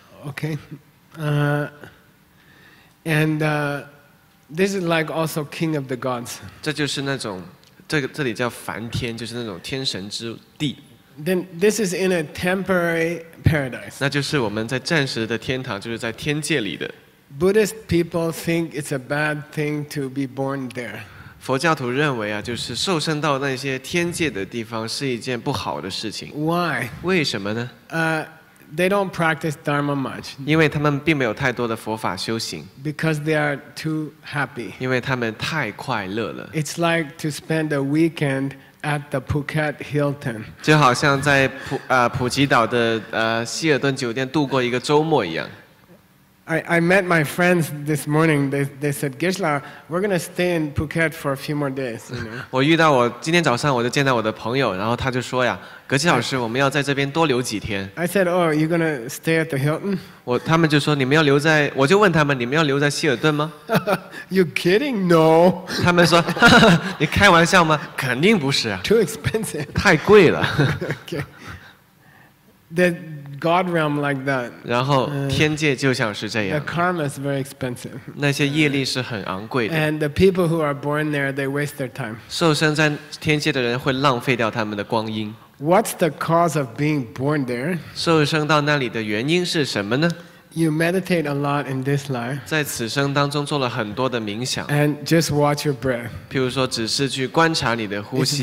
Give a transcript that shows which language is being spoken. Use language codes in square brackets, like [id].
[en] Okay, this is like also king of the gods. [zh] 这就是那种这里叫梵天，就是那种天神之地。 [en] Then this is in a temporary paradise. [zh] 那就是我们在暂时的天堂，就是在天界里的。 [en] Buddhist people think it's a bad thing to be born there. [zh] 佛教徒认为啊，就是受生到那些天界的地方是一件不好的事情。 [en] Why? [zh] 为什么呢？ [en] They don't practice dharma much. [zh] 因为他们并没有太多的佛法修行。 [en] Because they are too happy. [zh] 因为他们太快乐了。 [en] It's like to spend a weekend at the Phuket Hilton. [zh] 就好像在普吉岛的希尔顿酒店度过一个周末一样。 [en] I met my friends this morning. They said, "Geshe, we're gonna stay in Phuket for a few more days." You know? [zh] 我遇到我今天早上我就见到我的朋友，然后他就说呀，格吉老师，我们要在这边多留几天。 [en] I said, "Oh, you're gonna stay at the Hilton?" [zh] 他们就说你们要留在，我就问他们你们要留在希尔顿吗 [en] ？You kidding? No. [zh] 他们说你开玩笑吗？肯定不是啊。 [en] Too expensive. [zh] 太贵了。 [en] Okay. Then. God realm like that. [zh] 然后天界就像是这样。 [en] The karma is very expensive. [zh] 那些业力是很昂贵的。 [en] And the people who are born there, they waste their time. [zh] 受生在天界的人会浪费掉他们的光阴。 [en] What's the cause of being born there? [zh] 受生到那里的原因是什么呢？ [en] You meditate a lot in this life. [zh] 在此生当中做了很多的冥想。 [en] And just watch your breath. [zh] 譬如说只是去观察你的呼吸。